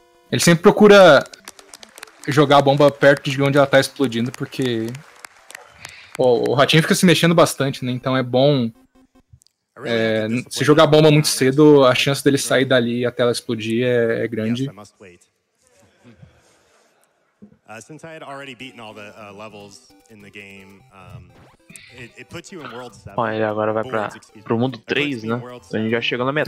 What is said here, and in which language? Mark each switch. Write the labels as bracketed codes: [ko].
[pt] Ele sempre procura jogar a bomba perto de onde ela tá explodindo, porque o ratinho fica se mexendo bastante, né, então é bom. Se jogar a bomba muito cedo, a chance dele sair dali até ela explodir é grande. [en] Since I had already beaten all the levels in the game, it puts you in World 7. [pt] Ele agora vai pro mundo 3, né? Então a gente já chegou na metade.